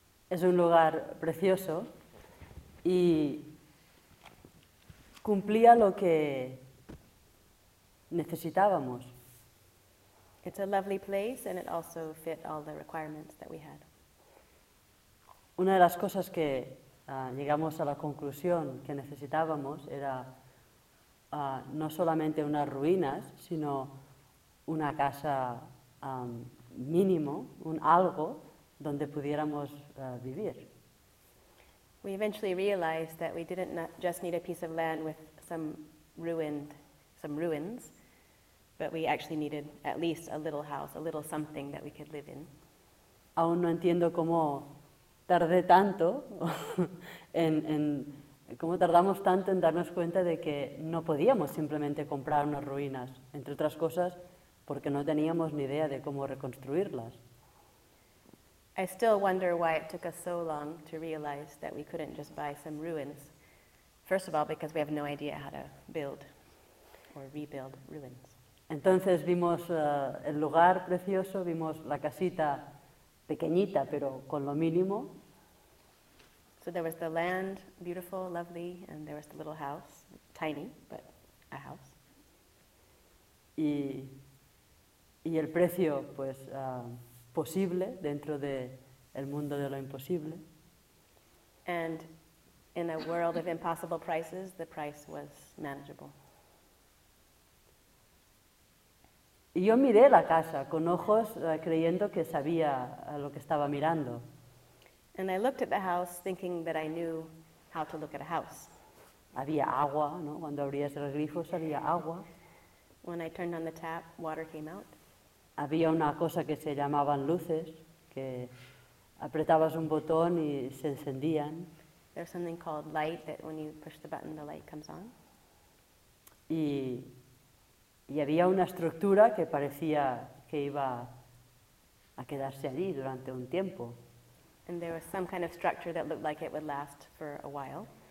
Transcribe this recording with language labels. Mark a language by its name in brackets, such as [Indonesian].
[Spanish] Es un lugar precioso y cumplía lo que necesitábamos. [English] It's a lovely place and it also fit all the requirements that we had. [Spanish] Una de las cosas que llegamos a la conclusión que necesitábamos era no solamente unas ruinas, sino una casa mínimo, un algo donde pudiéramos vivir. [English] We eventually realized that we didn't just need a piece of land with some ruins, but we actually needed at least a little house, a little something that we could live in. [Spanish] Aún no entiendo cómo tardé tanto en cómo tardamos tanto en darnos cuenta de que no podíamos simplemente comprar unas ruinas, entre otras cosas, porque no teníamos ni idea de cómo reconstruirlas. [English] I still wonder why it took us so long to realize that we couldn't just buy some ruins. First of all, because we have no idea how to build or rebuild ruins. [Spanish] Entonces vimos el lugar precioso, vimos la casita pequeñita, pero con lo mínimo. [English] So there was the land, beautiful, lovely, and there was the little house, tiny, but a house. [Spanish] Y el precio, pues, posible dentro de el mundo de lo imposible. [English] And in a world of impossible prices, the price was manageable. [Spanish] Y yo miré la casa con ojos creyendo que sabía a lo que estaba mirando. [English] And I looked at the house thinking that I knew how to look at a house. [Spanish] Había agua, ¿no? Cuando abrías el grifo salía agua. [English] When I turned on the tap, water came out. [Spanish] Había una cosa que se llamaban luces, que apretabas un botón y se encendían. [English] There's something called light that when you push the button, the light comes on. [Spanish] Y había una estructura que parecía que iba a quedarse allí durante un tiempo. [English] And there was some kind of structure that looked like it would last for a while.